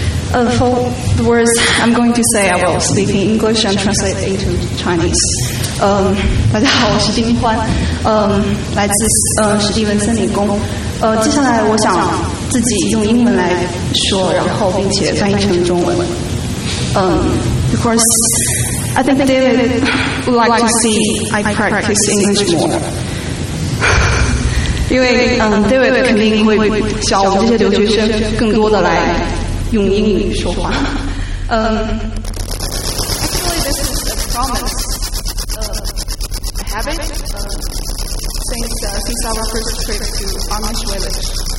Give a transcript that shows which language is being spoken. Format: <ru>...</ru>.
<en>For the words I'm going to say, I will speak in English and translate into Chinese.</en> <zh>大家好，我是丁欢，来自史蒂文森林宫。接下来我想自己用英文来说，然后并且翻译成中文。</zh> <en>Of course, I think David would like to see I practice English more.</en> <zh>因为David 肯定会教我们这些留学生更多的来用英语说话。</zh> <en>Actually, this is a promise, a habit, since our first trip to Amish village.</en>